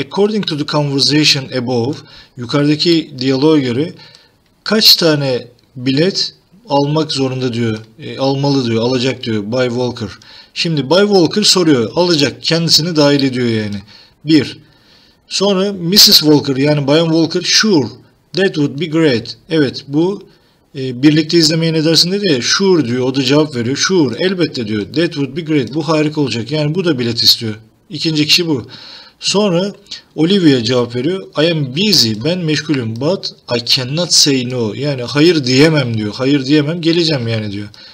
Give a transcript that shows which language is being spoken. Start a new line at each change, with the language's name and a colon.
English: According to the conversation above,
Turkish: yukarıdaki diyaloğa göre kaç tane bilet almak zorunda diyor. Almalı diyor, alacak diyor Bay Walker. Şimdi Bay Walker soruyor, alacak kendisini dahil ediyor yani. Bir. Sonra Mrs.
English: Walker yani Bayan Walker, sure, that would be great.
Turkish: Evet bu birlikte izlemeye ne dersin dedi ya, sure diyor, o da cevap veriyor. Sure, elbette diyor.
English: That would be great.
Turkish: Bu harika olacak. Yani bu da bilet istiyor. İkinci kişi bu. Sonra Olivia cevap veriyor.
English: I am busy.
Turkish: Ben meşgulüm.
English: But I cannot say no.
Turkish: Yani hayır diyemem diyor. Hayır diyemem. Geleceğim yani diyor.